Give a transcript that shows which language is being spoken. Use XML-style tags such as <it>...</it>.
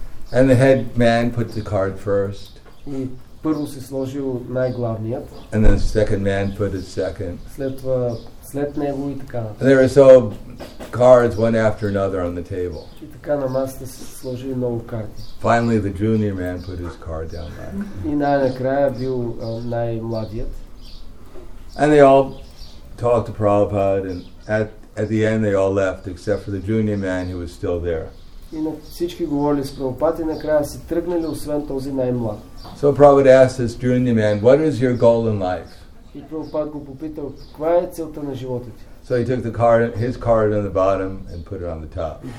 <en>And the head man put the card first.</en> <bg>И първо се сложил най-главният.</bg> <en>And then the second man put it second.</en> <bg>След него и така.</bg> <en>And there were so cards one after another on the table.</en> <bg>И така на масата се сложили много карти.</bg> <en>Finally the junior man put his card down back.</en> <bg>И най-накрая бил най-младият.</bg> <en>And they all talked to Prabhupada and at the end they all left except for the junior man who was still there.</en> <bg>И всички говорили с Прабхупада и накрая си тръгнали, освен този най-млад.</bg> <en>So Prabhupada asked this junior man, what is your goal in life?</en> <bg>И Прабхупада го попитал, каква е целта на живота ти?</bg> <en>So he took the card, his card on the bottom and put it on the top.</en>